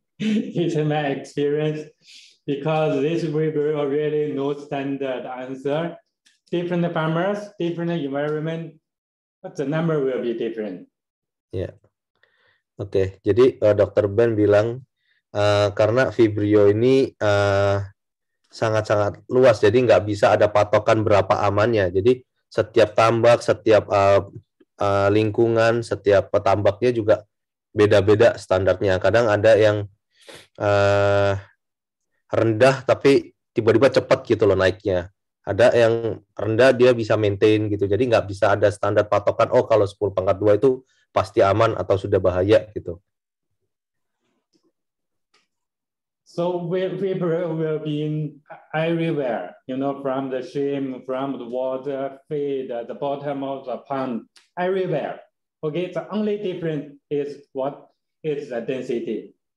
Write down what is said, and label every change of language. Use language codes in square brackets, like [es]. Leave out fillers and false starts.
[en] It's my experience because this Vibrio really no standard answer. Different farmers, different environment, but the number will be different. [id] Yeah. Oke. Okay. Jadi Dr. Ben bilang karena Vibrio ini sangat-sangat luas, jadi nggak bisa ada patokan berapa amannya. Jadi setiap tambak, setiap lingkungan, setiap petambaknya juga beda-beda standarnya. Kadang ada yang rendah tapi tiba-tiba cepat gitu loh naiknya. Ada yang rendah dia bisa maintain gitu. Jadi nggak bisa ada standar patokan, oh kalau 10 pangkat 2 itu pasti aman atau sudah bahaya gitu. [en] So Vibrio will be in everywhere, you know, from the shrimp, from the water, feed, the bottom of the pond, everywhere. Okay, the only difference is what is the density.